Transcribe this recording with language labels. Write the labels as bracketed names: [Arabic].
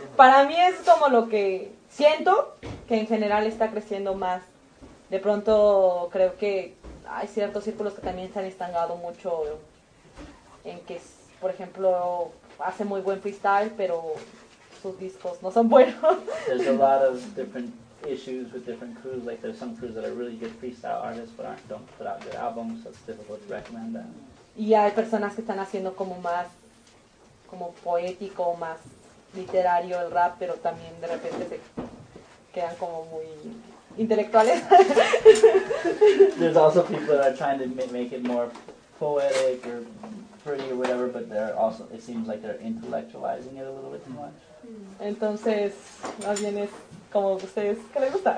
[Spanish] Para mí es como lo que siento, que en general está creciendo más. De pronto creo que hay ciertos círculos que también se han estancado mucho en que, por ejemplo, hace muy buen freestyle, pero sus discos no son buenos. [English] There's a lot of different issues with different crews. Like there's some crews that are really good freestyle artists, but don't put out good albums, so it's difficult to recommend them. [Spanish] Y hay personas que están haciendo como más, como poético, más literario el rap, pero también de repente se quedan como muy intelectuales. [English] There's also people that are trying to make it more poetic or pretty or whatever, but they're also, it seems like they're intellectualizing it a little bit too much. [Spanish] Entonces, más bien es como ustedes, ¿qué les gusta?